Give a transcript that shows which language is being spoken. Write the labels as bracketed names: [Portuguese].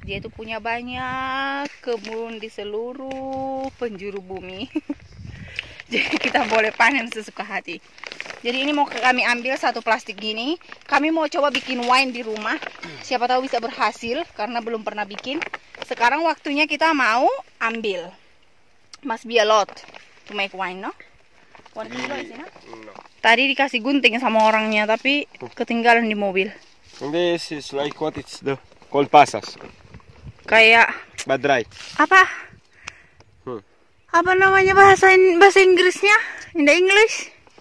[Indonesian] Dia itu punya banyak kebun di seluruh penjuru bumi. Jadi kita boleh panen sesuka hati. Jadi ini mau kami ambil satu plastik gini. Kami mau coba bikin wine di rumah. Siapa tahu bisa berhasil karena belum pernah bikin. Sekarang waktunya kita mau ambil. [English] Must be a lot to make wine, no? No. [Indonesian] Tadi dikasih gunting sama orangnya, tapi ketinggalan di mobil. [English] This is like what it's the called pasas. [Indonesian] Kayak. [English] But dry. [Indonesian] Apa? Apa namanya bahasa Inggrisnya? [English] In the English?